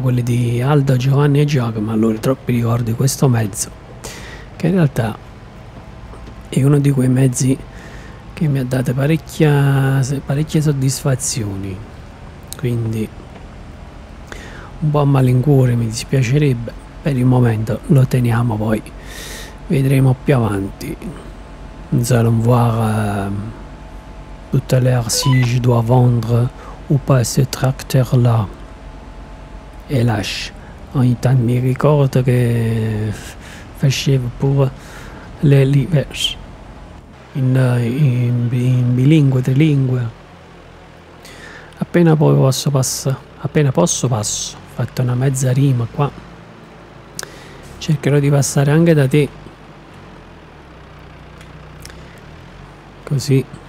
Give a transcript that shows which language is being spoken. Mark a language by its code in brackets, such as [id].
[it] Quelli di Aldo, Giovanni e Giacomo. Allora, troppi ricordi, questo mezzo che in realtà è uno di quei mezzi che mi ha dato parecchie soddisfazioni, quindi un po' a malincuore, mi dispiacerebbe. Per il momento lo teniamo, poi vedremo più avanti. [fr] Nous allons voir tout à l'heure si je dois vendre ou pas ce tracteur là. [it] Hélas, ogni tanto mi ricordo che facevo pure le livers in bilingue, trilingue. Appena poi posso passare, appena posso passo, fatto una mezza rima qua, cercherò di passare anche da te, così